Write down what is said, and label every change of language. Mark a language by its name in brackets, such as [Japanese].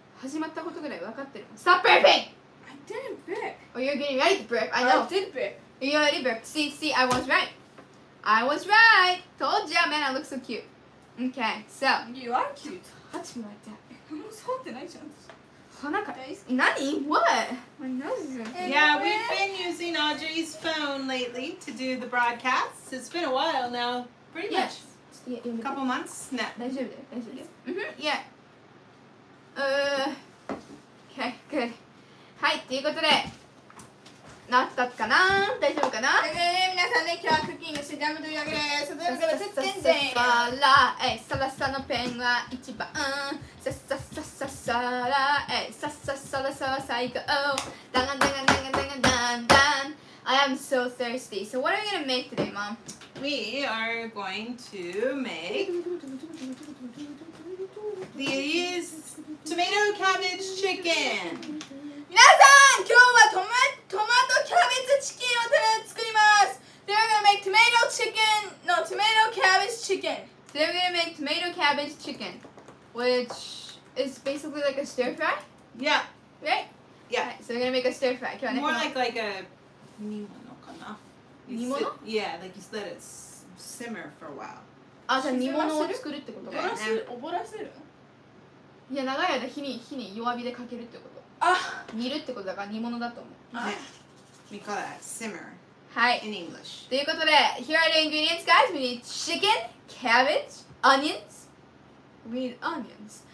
[Japanese] 始まったことぐらい分かってる。 [English] Stop burping! I didn't burp. Oh, you're getting ready to burp. I know. I did burp. You already burped. See, I was right. I was right. Told you, man, I look so cute. Okay, so. You are cute. Touch me like that. [Japanese] もう触ってないじゃん。何? [English] What? Yeah, we've been using Audrey's phone lately to do the broadcasts. It's been a while now. Pretty much. Yes. A couple months? No. [Japanese] 大丈夫。 [English] Yeah. Okay, good. [Japanese] はい、ということで、なったかな？大丈夫かな？皆さんね、今日はクッキングしてジャムというわけです。どうぞ、ちょっと全然。サラサラ、サラサのペンは一番。サラサラサラ、サラサラサラ最高。ダンダンダンダンダンダン。 [English] I am so thirsty. So what are we gonna make today, Mom? We are going to make these tomato cabbage chicken. [Japanese] 皆さん、今日はトマトキャベツチキンを作ります。 [English] We are gonna make tomato chicken. No, tomato cabbage chicken. Today we're gonna make tomato cabbage chicken, which is basically like a stir fry. Yeah. Right? Yeah. Right, so we're gonna make a stir fry. More like a nimono kana. Nimono? Yeah, like you let it simmer for a while. Ah, so [Japanese] nimono wo tsukuru ってこと? Oborasuru? いや、長い間火に弱火でかけるってこと。あ、煮るってことだから煮物だと思う。 [English] We call that simmer. [Japanese] はい。 [English] In English. [Japanese] ということで、 [English] here are the ingredients, guys. We need chicken, cabbage, onions. We need onions.